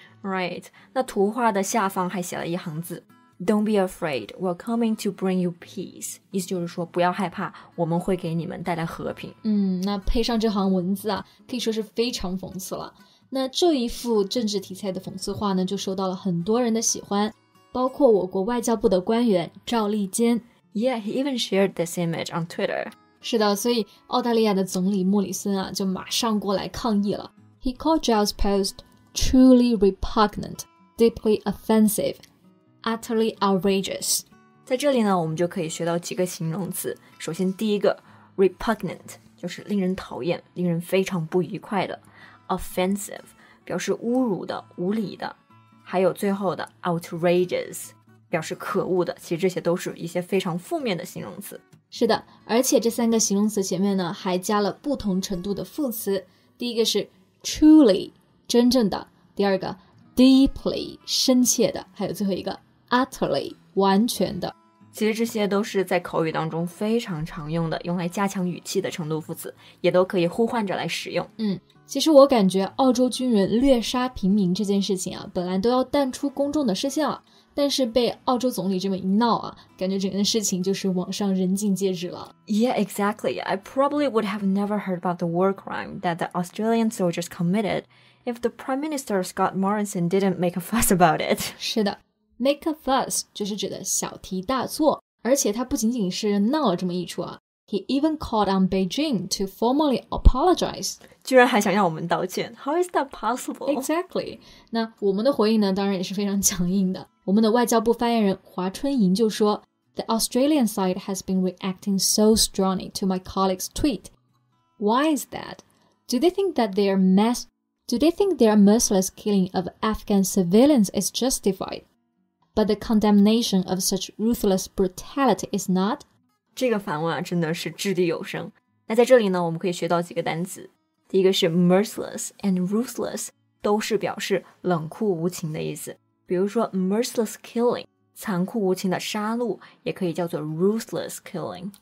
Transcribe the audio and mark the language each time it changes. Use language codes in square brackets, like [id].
[en] Right, [zh] 那图画的下方还写了一行字 [en] Don't be afraid, we're coming to bring you peace. [zh] 意思就是说不要害怕，我们会给你们带来和平。嗯，那配上这行文字啊，可以说是非常讽刺了。那这一幅政治题材的讽刺画呢，就受到了很多人的喜欢，包括我国外交部的官员赵立坚。 [en] Yeah, he even shared this image on Twitter. [zh] 是的，所以澳大利亚的总理莫里森啊，就马上过来抗议了。 [en] He called Giles' post truly repugnant, deeply offensive, utterly outrageous. [zh] 在这里呢，我们就可以学到几个形容词。首先，第一个 repugnant 就是令人讨厌、令人非常不愉快的 ；offensive 表示侮辱的、无理的；还有最后的 outrageous 表示可恶的。其实这些都是一些非常负面的形容词。是的，而且这三个形容词前面呢还加了不同程度的副词。第一个是 truly 真正的，第二个 deeply 深切的，还有最后一个 utterly 完全的。其实这些都是在口语当中非常常用的，用来加强语气的程度副词，也都可以互换着来使用。嗯，其实我感觉澳洲军人虐杀平民这件事情啊，本来都要淡出公众的视线了。但是被澳洲总理这么一闹啊，感觉整个事情就是网上人尽皆知了。 [en] Yeah, exactly. I probably would have never heard about the war crime that the Australian soldiers committed if the Prime Minister Scott Morrison didn't make a fuss about it. [zh] 是的 ，make a fuss 就是指的小题大做，而且他不仅仅是闹了这么一出啊 ， [en] He even called on Beijing to formally apologize. [zh] 居然还想让我们道歉 ？ [en] How is that possible? Exactly. [zh] 那我们的回应呢，当然也是非常强硬的。我们的外交部发言人华春莹就说 [en] The Australian side has been reacting so strongly to my colleague's tweet. Why is that? Do they think that their merciless killing of Afghan civilians is justified? But the condemnation of such ruthless brutality is not? [zh] 这个反问啊，真的是掷地有声。那在这里呢，我们可以学到几个单词。第一个是 merciless and ruthless， 都是表示冷酷无情的意思。比如说 merciless killing 残酷无情的杀戮也可以叫做 ruthless killing